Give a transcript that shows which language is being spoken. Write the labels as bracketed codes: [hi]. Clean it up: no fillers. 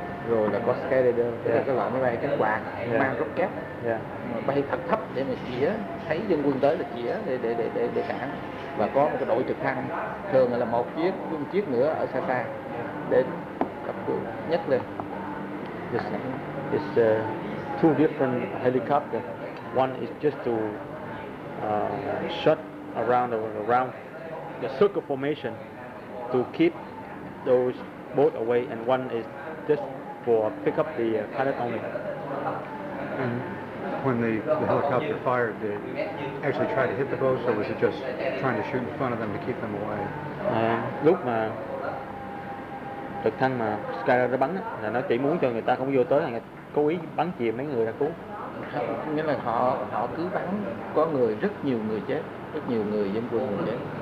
[vi] Rồi là có Skyrider, tức là cái loại máy bay cánh quạt mang rocket, bay thật thấp để mà chĩa, thấy dân quân tới là chĩa để cản, và có một cái đội trực thăng, thường là một chiếc nữa ở xa xa để cấp cứu nhất lên. [en] It's two different helicopters. One is just to shut around the circle formation to keep those boat away, and one is just for pick up the pilot only. And when the helicopter fired, did it actually try to hit the boats, or was it just trying to shoot in front of them to keep them away? [vi] Lúc mà trực thăng mà Skyrider bắn là nó chỉ muốn cho người ta không vô tới, là cố ý bắn chìm mấy người ra cứu. Nghĩa là họ cứ bắn, có người rất nhiều người dân quân người chết.